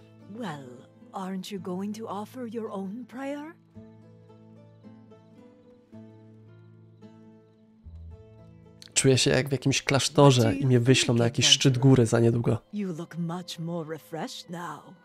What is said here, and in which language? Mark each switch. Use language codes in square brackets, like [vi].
[en] Well, aren't you going to offer your own prayer? [pl] Czuję się jak w jakimś klasztorze i mnie wyślą na jakiś szczyt góry za niedługo. [en] You look much more refreshed now.